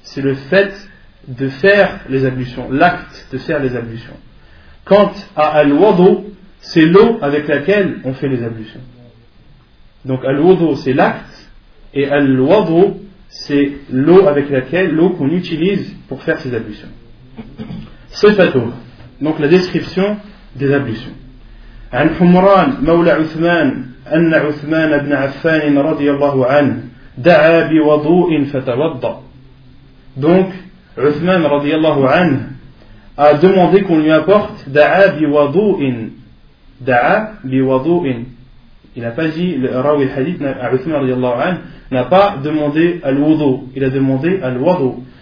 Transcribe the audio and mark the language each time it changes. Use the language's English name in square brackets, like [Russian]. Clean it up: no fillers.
[French] c'est le fait de faire les ablutions, l'acte de faire les ablutions. Quant à al-wadu, c'est l'eau avec laquelle on fait les ablutions. Donc al-wadu, c'est l'acte, et al-wadu, c'est l'eau avec laquelle, l'eau qu'on utilise pour faire ses ablutions. Sifatuh, donc la description des ablutions. [Arabic] عن حمران مولى عثمان أن عثمان بن عفان رضي الله عنه دعا بوضوء فتوضأ. [French] Donc عثمان رضي الله عنه a demandé qu'on lui apporte [Arabic] دعا بوضوء. دعا بوضوء. [French] Il n'a pas dit, le rawi al-hadith, عثمان رضي الله عنه n'a pas demandé الوضوء. Il a demandé الوضوء.